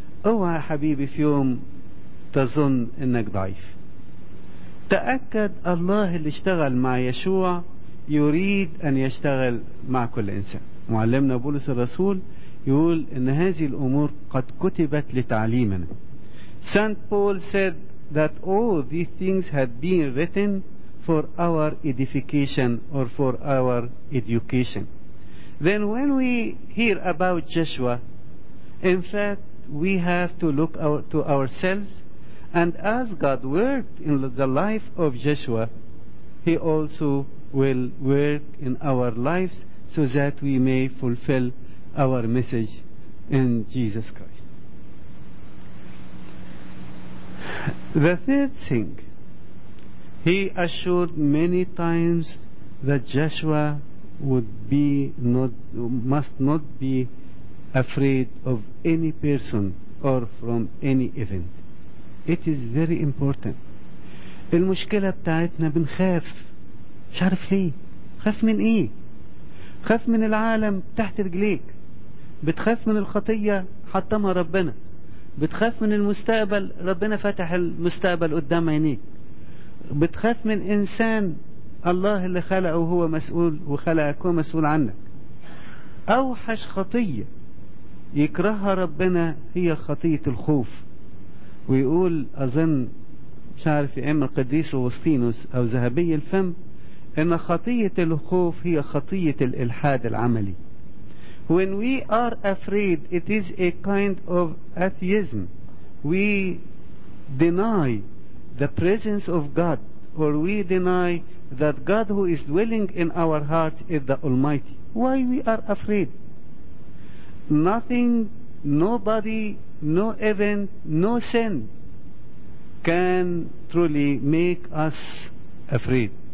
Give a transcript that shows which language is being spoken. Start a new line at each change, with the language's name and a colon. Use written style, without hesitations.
Arabic: اوعى حبيبي في يوم تظن انك ضعيف. تأكد الله اللي اشتغل مع يشوع يريد ان يشتغل مع كل انسان. معلمنا بولس الرسول يقول ان هذه الامور قد كتبت لتعليمنا.
English: Saint Paul said that all these things had been written for our edification or for our education. Then when we hear about Joshua, in fact we have to look to ourselves, and as God worked in the life of Joshua, he also will work in our lives so that we may fulfill our message in Jesus Christ. The third thing, he assured many times that Joshua must not be afraid of any person or from any event. It is very important.
Arabic: المشكلة بتاعتنا بنخاف، مش عارف ليه، خاف من ايه؟ خاف من العالم تحت رجليك، بتخاف من الخطية حطمها ربنا، بتخاف من المستقبل ربنا فتح المستقبل قدام عينيك، بتخاف من إنسان الله اللي خلقه هو مسؤول وخلقك هو مسؤول عنك. أوحش خطية يكرهها ربنا هي خطية الخوف. ويقول أظن مش عارف يا إما القديس أوغسطينوس أو ذهبي الفم إن خطية الخوف هي خطية الإلحاد العملي.
English: When we are afraid, it is a kind of atheism. We deny the presence of God, or we deny that God who is dwelling in our hearts is the Almighty. Why we are afraid? Nothing, nobody, no event, no sin can truly make us afraid.